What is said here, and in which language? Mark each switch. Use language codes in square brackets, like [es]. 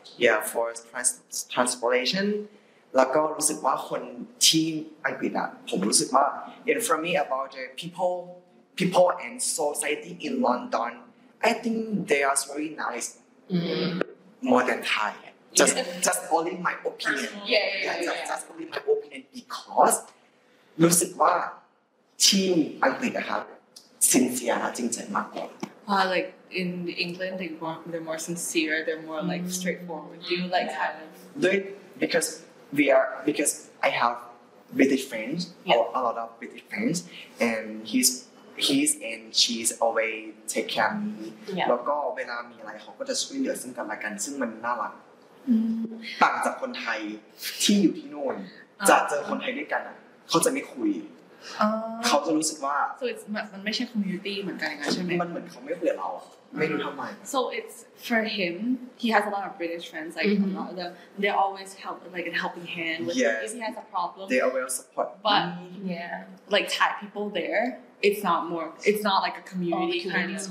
[en] Yeah, for transportation. [th] แล้วก็รู้สึกว่าคนที่อังกฤษอ่ะผมรู้สึกว่า [en] in front of me about the people and society in London I think they are very nice more than Thai just only my opinion yeah, just only my opinion because [th] รู้สึกว่าที่อังกฤษนะครับ sincere นะจริงใจมากกว่า [en] Like in England they're more sincere they're more like straightforward do you like kind of because I have British friends, a lot of British friends, and he's and she's always take care of me. Yeah. [th] แล้วก็เวลามีอะไรเขาก็จะช่วยเหลือซึ่งกันและกันซึ่งมันน่ารักต่างจากคนไทยที่อยู่ที่โน่นจะเจอคนไทยด้วยกันเขาจะไม่คุยเขาจะรู้สึกว่า [en] so it's [th] มันไม่ใช่ community เหมือนกันใช่ไห มมันเหมือนเขาไม่เหลือเราไม่รู้ทำไม [en] so it's for him he has a lot of British friends like a lot of them they always help like a helping hand if he has a problem they always support but yeah like Thai people there it's not like a community kind of